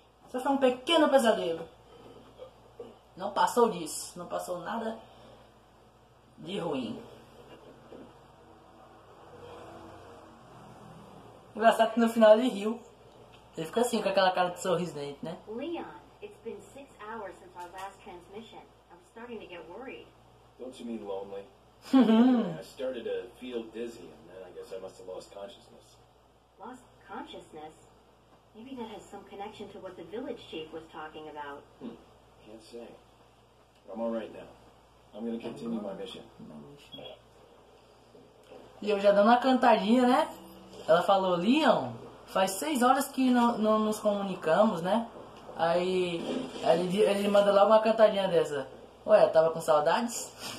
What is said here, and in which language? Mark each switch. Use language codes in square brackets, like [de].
[pt] Só foi um pequeno pesadelo. Não passou disso. Não passou nada de ruim. Engraçado que no final ele riu. Ele fica assim com aquela cara de sorriso dele, né? [en] Leon, it's been 6 hours since our last transmission. I'm starting to get worried. Don't you mean lonely? I started to feel dizzy. I must have lost consciousness. Lost consciousness? Maybe that has some connection to what the village chief was talking about. Can't say. I'm all right now. I'm gonna continue my mission. [pt] E eu já dando uma cantadinha, né? Ela falou, Leon, faz 6 horas que não nos comunicamos, né? Aí ele manda logo uma cantadinha dessa. Ué, eu tava com saudades?